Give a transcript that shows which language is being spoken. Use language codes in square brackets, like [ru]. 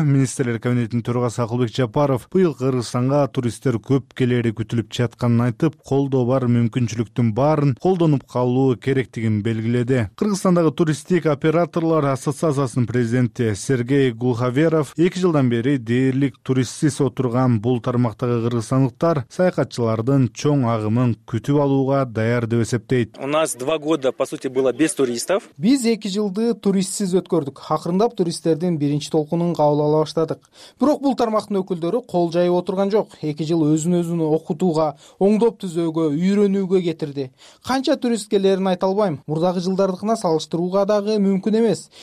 [ky] Министрлер кабинетинин төрагасы Акылбек Жапаров быйыл Кыргызстанга туристтер көп келери күтүлүп жатканын айтып, колдоо бар мүмкүнчүлүктүн баарын колдонуп калуу керектигин белгиледи. Кыргызстандагы туристтик операторлор ассоциациясынын президенти Сергей Гулхаверов 2 жылдан бери дээрлик туристсиз отурган бул тармактагы кыргызстандыктар саякатчылардын чоң агымын күтүп алууга даяр деп эсептейт. [ru] У нас 2 года, по сути, было без туристов. [ky] Биз 2 жылды туристсиз өткөрдүк. Акырындап туристтердин биринчи толкунун кабыл ала баштадык. Бирок бул тармактын өкүлдөрү кол жайып отурган жок. 2 жыл өзүн-өзүн окутууга, оңдоп түзөөгө, үйрөнүүгө кетирди. Канча турист келерин айта албайм. Мурдагы жылдардыкына салыштырууга дагы мүмкүн эмес.